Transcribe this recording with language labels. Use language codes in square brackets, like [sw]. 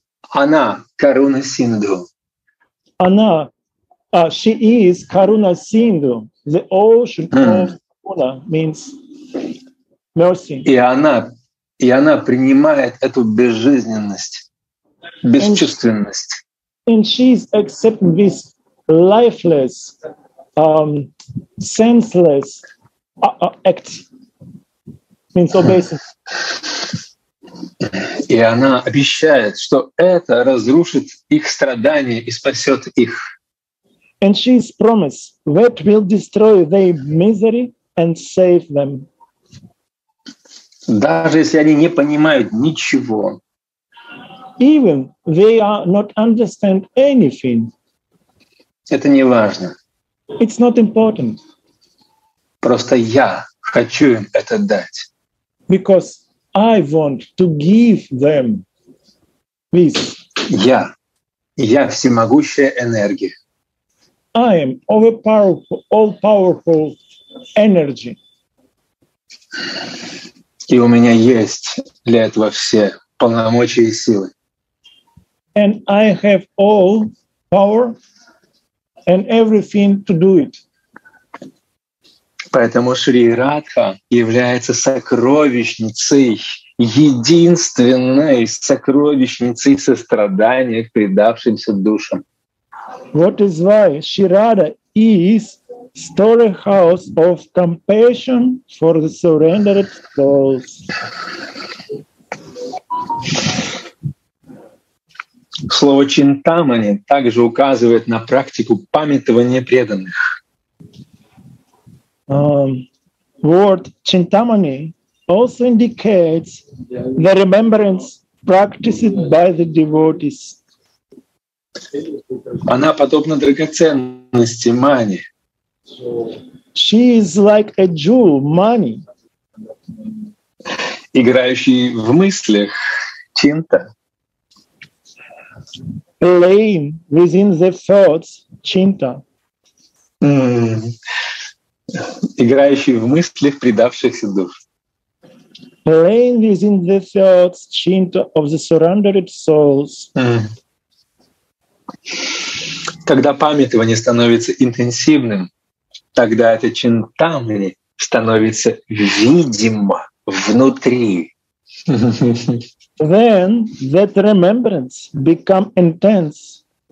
[ru] Она Karuna Sindhu. Она, [en] she is Karuna Sindhu, the ocean of Karuna means mercy. [ru] И она принимает эту безжизненность, бесчувственность. [en] And she is accepting this lifeless, senseless act. Means obeisance. [ru] И она обещает, что это разрушит их страдания и спасет их. [en] And she is promised that will destroy their misery and save them. [ru] Даже если они не понимают ничего. [en] Even they are not understand anything. [ru] Это не важно. [en] It's not important. [ru] Просто я хочу им это дать. [en] Because I want to give them this. [ru] Я всемогущая энергия. [en] I am overpowerful, all-powerful energy. [ru] И у меня есть для этого все полномочия и силы. [en] And I have all power and everything to do it. [ru] Поэтому Шри Радха является сокровищницей, единственной сокровищницей сострадания к предавшимся душам. [en] What is why Shri Radha is storehouse of compassion for the surrendered souls. [ru] Слово Чинтамани также указывает на практику памятования преданных. [en] Word Chintamani also indicates the remembrance practiced by the devotees. [ru] Она подобна драгоценности, мани. [en] She is like a jewel, money. [ru] Играющий в мыслях, чинта. [en] Playing within the thoughts, чинта. [ru] Играющий в мыслях предавшихся душ. [en] Playing within the thoughts, чинта of the surrendered souls. [ru] Когда памятование становится интенсивным, тогда это чинтамани становится видимо внутри. [en] Then that remembrance become intense.